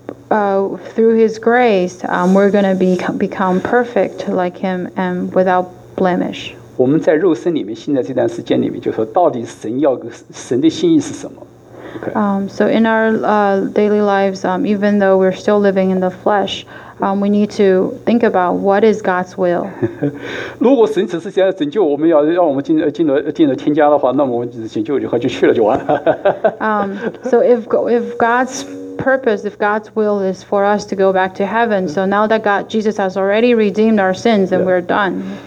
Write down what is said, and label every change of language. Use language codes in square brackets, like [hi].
[en] Through his grace, we're going to become perfect like him and without blemish. [zh] 我们在肉身里面，现在这段时间里面，就说到底神要神的心意是什么？ [en] So in our daily lives, even though we're still living in the flesh, we need to think about what is God's will. [zh] 如果神只是这样拯救我们要让我们进了天家的话，那么我们拯救就好，就去了就完了。 [en] So if God's purpose, if God's will is for us to go back to heaven, so now that God, Jesus has already redeemed our sins, then we're done.